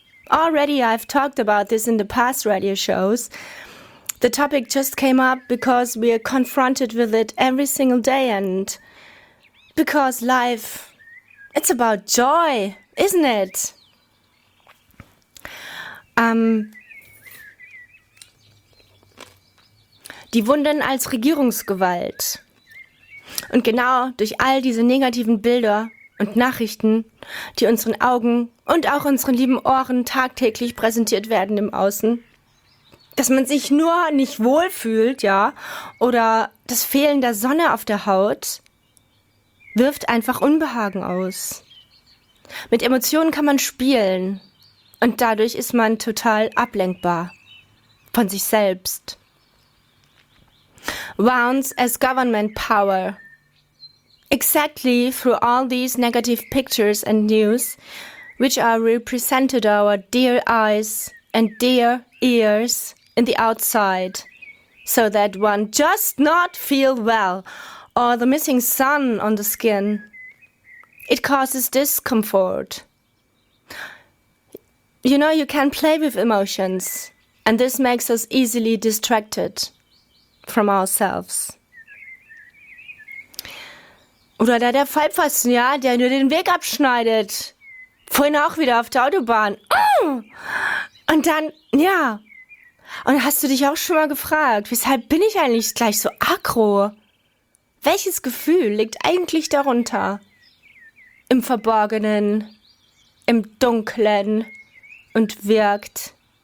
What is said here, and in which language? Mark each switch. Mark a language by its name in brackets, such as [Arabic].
[English] Already I've talked about this in the past radio shows. The topic just came up because we are confronted with it every single day, and because life, it's about joy, isn't it? [German] Die Wunden als Regierungsgewalt. Und genau durch all diese negativen Bilder und Nachrichten, die unseren Augen und auch unseren lieben Ohren tagtäglich präsentiert werden im Außen, dass man sich nur nicht wohl fühlt, ja, oder das Fehlen der Sonne auf der Haut, wirft einfach Unbehagen aus. Mit Emotionen kann man spielen und dadurch ist man total ablenkbar von sich selbst. [English] Wounds as government power. Exactly through all these negative pictures and news, which are represented our dear eyes and dear ears in the outside, so that one just not feel well, or the missing sun on the skin. It causes discomfort. You know, you can play with emotions, and this makes us easily distracted from ourselves. [German] Oder da der Vollpfosten, ja, der nur den Weg abschneidet. Vorhin auch wieder auf der Autobahn. Und dann, ja. Und hast du dich auch schon mal gefragt, weshalb bin ich eigentlich gleich so aggro? Welches Gefühl liegt eigentlich darunter? Im Verborgenen, im Dunklen und wirkt.